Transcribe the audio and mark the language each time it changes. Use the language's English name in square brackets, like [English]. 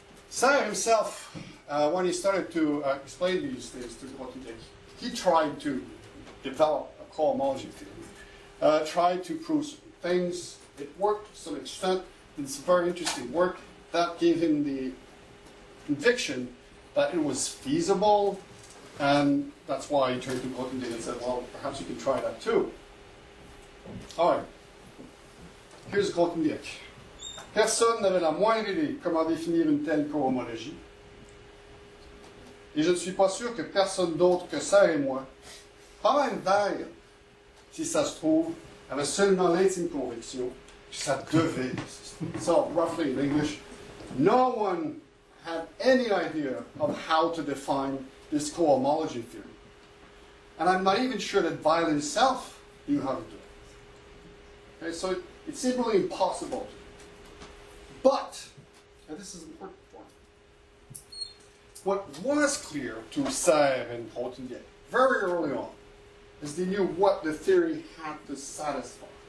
[English] Sire himself, when he started to explain these things to Gautier, he tried to develop a cohomology theory, tried to prove certain things. It worked to some extent. It's a very interesting work that gave him the conviction that it was feasible, and that's why he turned to Gautier and said, well, perhaps you can try that too. All right. Here's Gautier. [French] Personne n'avait la moindre idée comment définir une telle cohomologie. Et je ne suis pas sûr que personne d'autre que ça et moi, pas même Weil, si ça se trouve, avait seulement l'intime conviction que ça devait. [English] So, roughly in English, no one had any idea of how to define this cohomology theory. And I'm not even sure that Weil himself knew how to do it. Okay, so it's simply impossible to. But, and this is an important point, what was clear to Serre and Gautier very early on is they knew what the theory had to satisfy.